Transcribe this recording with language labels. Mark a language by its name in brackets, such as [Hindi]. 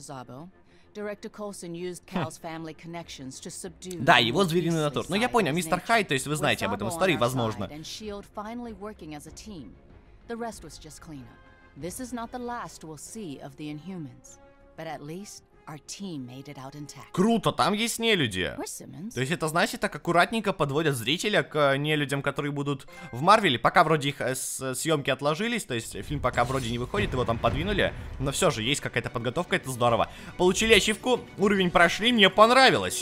[English] Szabo, Director Coulson used Cal's family connections to subdue. [Russian] Да, его звериный натур. Ну я понял, мистер Хай, то есть вы знаете об этом истории, возможно. [English] And Shield finally working as a team. The rest was just cleanup. This is not the last we'll see of the Inhumans, but at least our team made it out intact. [Russian] Круто, там есть нелюди. То есть это значит, так аккуратненько подводят зрителя к нелюдям, которые будут в Марвеле. Пока вроде их съемки отложились, то есть фильм пока вроде не выходит, его там подвинули. Но все же, есть какая-то подготовка, это здорово. Получили ачивку, уровень прошли, мне понравилось.